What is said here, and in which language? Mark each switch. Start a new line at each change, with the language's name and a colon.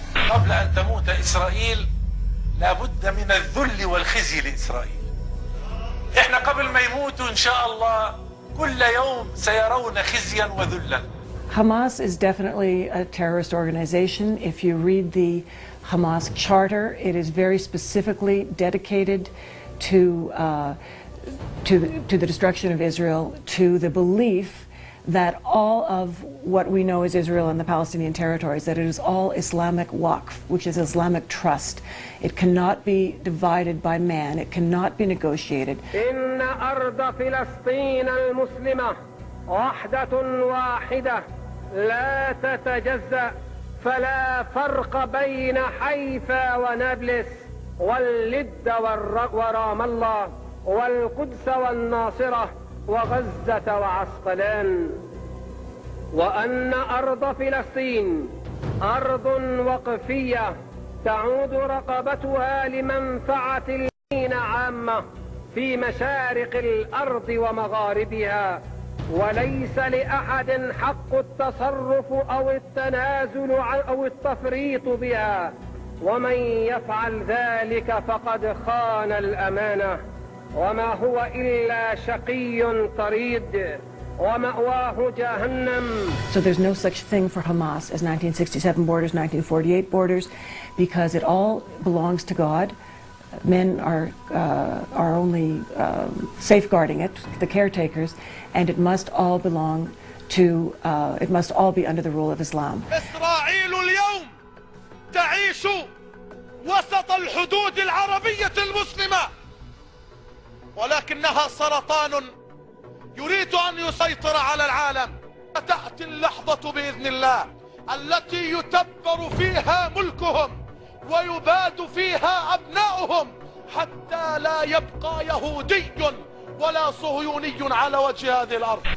Arabic: قبل أن تموت إسرائيل لابد من الذل والخزي لإسرائيل. إحنا قبل ما يموتوا إن شاء الله كل يوم سيرون خزيا وذلا.
English: Hamas is definitely a terrorist organization. If you read the Hamas charter, it is very specifically dedicated to the destruction of Israel, to the belief that all of what we know is Israel and the Palestinian territories, that it is all Islamic waqf, which is Islamic trust. It cannot be divided by man. It cannot be negotiated.
Arabic: إن أرض فلسطين المسلمة وحدة واحدة لا تتجزأ فلا فرق بين حيفا ونابلس واللد ورام الله والقدس والناصرة وغزة وعسقلان وأن أرض فلسطين أرض وقفية تعود رقبتها لمنفعة المسلمين عامة في مشارق الأرض ومغاربها وليس لأحد حق التصرف أو التنازل أو التفريط بها ومن يفعل ذلك فقد خان الأمانة وما هو إلا شقي طريد ومأواه جهنم.
English: So there's no such thing for Hamas as 1967 borders, 1948 borders, because it all belongs to God. Men are only safeguarding it, the caretakers, and it must all belong to, it must all be under the rule of Islam.
Arabic: إسرائيل اليوم تعيش وسط الحدود العربية المسلمة ولكنها سرطان يريد أن يسيطر على العالم. تأتي اللحظة بإذن الله التي يتبر فيها ملكهم ويباد فيها أبناؤهم حتى لا يبقى يهودي ولا صهيوني على وجه هذه الأرض.